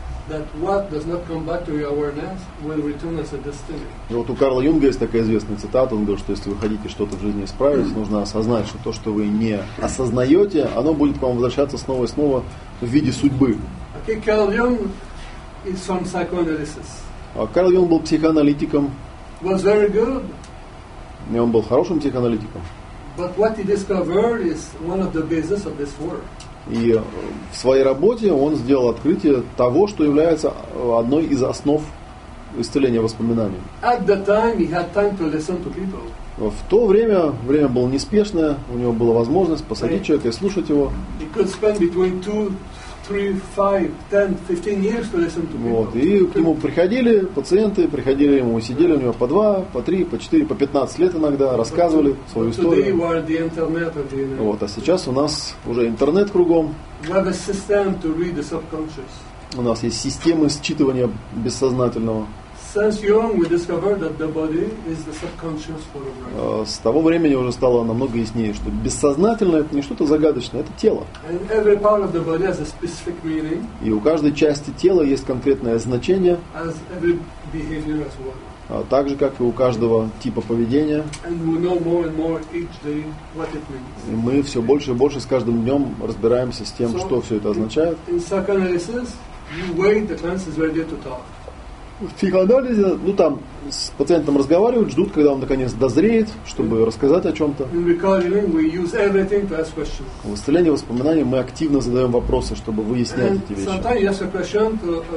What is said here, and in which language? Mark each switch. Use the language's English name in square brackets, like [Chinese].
[English] That what does not come back to your awareness will return as a destiny. [Russian] И вот у Карла Юнга есть такая известная цитата, он говорит, что если вы хотите что-то в жизни исправить, нужно осознать, что то, что вы не осознаете, оно будет к вам возвращаться снова и снова в виде судьбы. [English] Okay, Carl Jung is from psychoanalysis. [Russian] Карл Юнг был психоаналитиком. [English] Was very good. [Russian] И он был хорошим психоаналитиком. [English] But what he discovered is one of the basis of this work. [Russian] И в своей работе он сделал открытие того, что является одной из основ исцеления воспоминаний. [English] At the time, he had time to listen to people. [Russian] В то время было неспешное, у него была возможность посадить человека и слушать его. [English] He could spend between 2, 3, 5, 10, 15 years to listen to people. [Russian] Вот, и к нему приходили пациенты, приходили ему, сидели у него по 2, по 3, по 4, по 15 лет иногда, рассказывали свою историю. [English] Today we are the internet, the internet. [Russian] Вот, а сейчас у нас уже интернет кругом. [English] We have a system to read the subconscious. [Russian] У нас есть системы считывания бессознательного. [English] Since young we discovered that the body is the subconscious for the brain. [Russian] С того времени уже стало намного яснее, что бессознательное это не что-то загадочное, это тело. [English] And every part of the body has a specific meaning. [Russian] И у каждой части тела есть конкретное значение. [English] As every behavior as well. [Russian] Так же, как и у каждого типа поведения. [English] And we know more and more each day what it means. [Russian] И мы все больше и больше с каждым днем разбираемся с тем, что все это означает. [English] In psychoanalysis, you wait, the client is ready to talk. [Russian] В психоанализе, ну там, с пациентом разговаривают, ждут, когда он наконец дозреет, чтобы рассказать о чем-то. В исцелении воспоминаний мы активно задаем вопросы, чтобы выяснять эти вещи.